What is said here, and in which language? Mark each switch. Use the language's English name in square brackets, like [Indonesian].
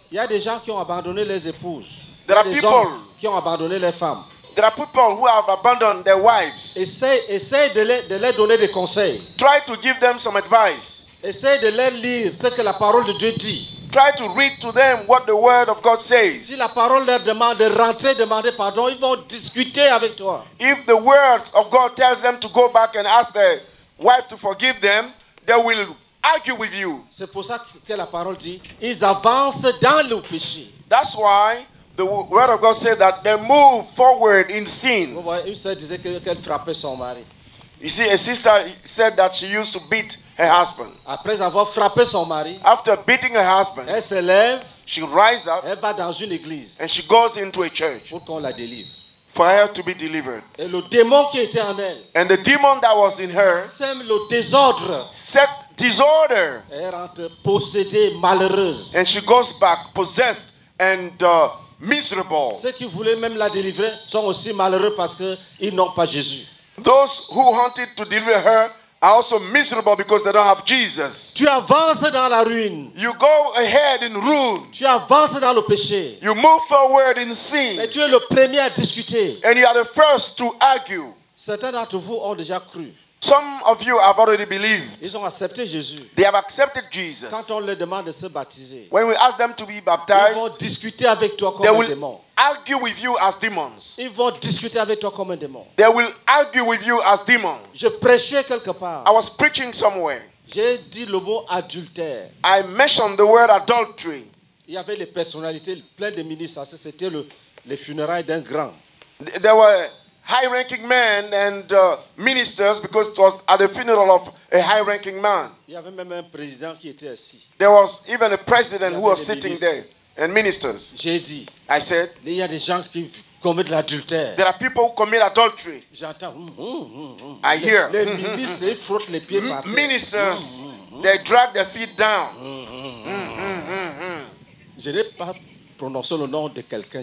[French] Il y a des gens qui ont abandonné leurs épouses. [English] There are people [French] qui ont abandonné leurs femmes. [English] There are people who have abandoned their wives. [French] Essaye de leur donner des conseils. [English] Try to give them some advice. [French] Essaye de leur lire ce que la parole de Dieu dit. [English] Try to read to them what the word of God says. [French] Si la parole leur demande de rentrer, demander pardon, ils vont discuter avec toi. [English] If the words of God tells them to go back and ask their wife to forgive them, they will argue with you. [French] C'est pour ça que la parole dit, ils avancent dans le péché. [English] That's why the word of God says that they move forward in sin. [French] Vous voyez, une sœur disait qu'elle frappait son mari. [English] You see, a sister said that she used to beat her husband. [French] Après avoir frappé son mari, [English] after beating her husband, [French] elle se lève, [English] she rises up, [French] elle va dans une église, [English] and she goes into a church, [French] pour qu'on la délivre, [English] for her to be delivered. [French] Et le démon qui était en elle, [English] and the demon that was in her, [French] sème le désordre, [English] set disorder, [French] elle rentre possédée, malheureuse, [English] and she goes back possessed and miserable. [French] Ceux qui voulaient même la délivrer sont aussi malheureux parce qu'ils n'ont pas Jésus. [English] Those who wanted to deliver her are also miserable because they don't have Jesus. [French] Tu avances dans la ruine. [English] You go ahead in ruin. [French] Tu avances dans le péché. [English] You move forward in sin. [French] Mais tu es le premier à discuter. [English] And you are the first to argue. [French] Certains d'entre vous ont déjà cru. [English] Some of you have already believed. [French] Ils ont accepté Jésus. [English] They have accepted Jesus. [French] Quand on leur demande de se baptiser, [English] when we ask them to be baptized, [French] ils vont discuter avec toi comme un démon. [English] Argue with you as demons. [French] Ils vont discuter avec toi comme un démon. [English] They will argue with you as demons. [French] Je prêchais quelque part. [English] I was preaching somewhere. [French] J'ai dit le mot adultère. [English] I mentioned the word adultery. [French] Il y avait les personnalités pleines de ministres. C'était les funérailles d'un grand. [English] There were high-ranking men and ministers because it was at the funeral of a high-ranking man. [French] Il y avait même un président qui était assis. [English] There was even a president who was sitting there and ministers. [French] J'ai dit. [English] I said. [French] Il y a des gens qui commettent l'adultère. [English] There are people who commit adultery. [French] J'entends. [English] I hear. [French] Les ministres ils frottent les pieds. [English] Ministers, they drag their feet down. [French] Je n'ai pas prononcé le nom de quelqu'un.